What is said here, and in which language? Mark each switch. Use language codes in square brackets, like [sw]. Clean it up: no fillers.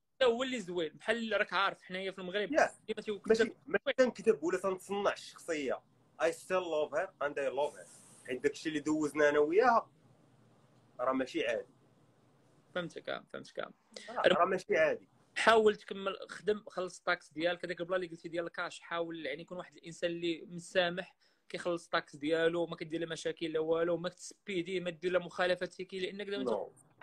[ar] هذا هو اللي زوين، بحال راك عارف حنايا في المغرب. ماشي تنكذب ولا تنصنع الشخصية. [en] I still love her and I love her. [ar] حيت داكشي اللي دوزنا أنا وياها راه ماشي عادي. فهمتك. راه ماشي عادي. حاول تكمل خدم، خلص الطاكس ديالك، هذاك البلا اللي قلتي ديال الكاش، حاول يعني يكون واحد الإنسان اللي مسامح. كيخلص الطاكس ديالو ما كدير له مشاكل لا والو، ما تسبيدي ما دير له مخالفات تيكي، لانك دابا no.